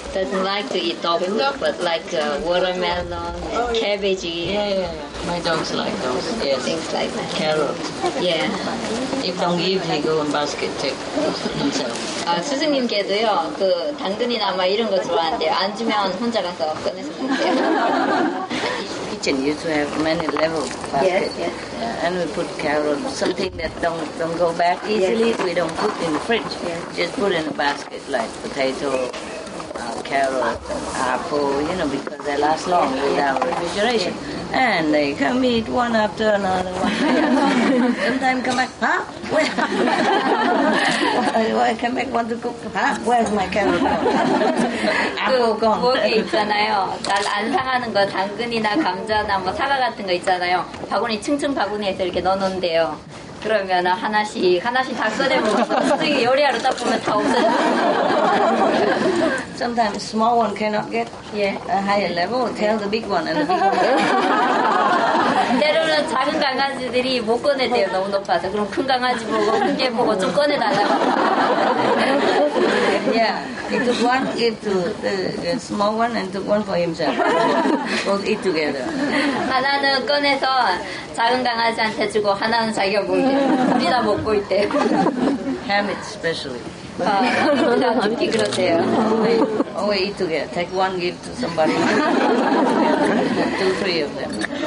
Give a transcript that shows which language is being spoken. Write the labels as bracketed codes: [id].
[en] Doesn't like to eat dog food, but like watermelon, and cabbage. Yeah, yeah, yeah. My dogs like those. Yes. Things like that. Carrot. Yeah. If don't give, he go in basket take himself. [ko] 아, 스승님께도요, 그 당근이나 막 이런 거 좋아한대요. 안 주면 혼자 가서 꺼내서 [en] Kitchen used to have many level baskets. Yes, yes. And we put carrot, something that don't go back easily. Yes. We don't put in the fridge. Yes. Just put in a basket like potato. Carrot, apple, you know, because they last long without refrigeration. And they come eat one after another one. Sometimes come back, huh? Where? Why come back, want to cook? Huh? Where's my carrot gone? Apple gone. [ko] 거기 있잖아요. 날 안 상하는 거, 당근이나 감자나 뭐 사과 같은 거 있잖아요. 바구니, 층층 바구니에서 이렇게 넣어놓은대요. 그러면 하나씩 다 꺼내보고 갑자기 요리하러 딱 보면 다 없어져. [en] Sometimes small one cannot get a higher level. Tell the big one and the big one. [ko] 때로는 작은 강아지들이 못 꺼내대요. 너무 높아서. 그럼 큰 강아지 보고 큰 개 보고 좀 꺼내달라고. [en] Yeah, he took one, gave to the small one, and took one for himself. Both eat together. [ko] 하나는 꺼내서 작은 강아지한테 주고 하나는 자기가 먹게. 둘이 다 먹고 있대. [en] Ham it specially. [ko] 아, 둘이 다 죽기 그러세요. [en] Always eat together. Take one, give to somebody. Two, three of them.